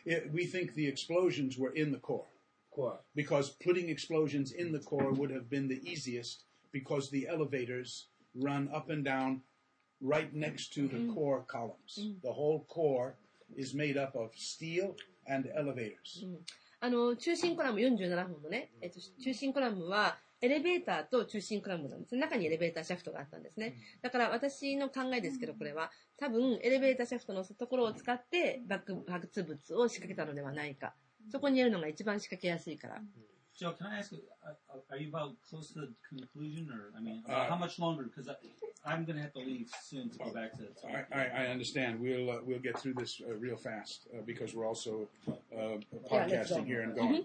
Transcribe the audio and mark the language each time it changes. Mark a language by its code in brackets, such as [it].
[en] We think the explosions were in the core. Because putting explosions in the core would have been the easiest because the elevators run up and down right next to the core columns. The whole core is made up of steel and elevators. [ja] 中心コラム47本のね、中心コラムはエレベーターと中心コラムなんですね。中にエレベーターシャフトがあったんですね。だから私の考えですけど、これは多分エレベーターシャフトのところを使って爆発物を仕掛けたのではないか。そこにやるのが一番仕掛けやすいから。 [en] Joe, can I ask, are you about close to the conclusion, or I mean, how much longer? Because I'm going to have to leave soon to go back to. I understand. We'll get through this real fast because we're also podcasting here and going.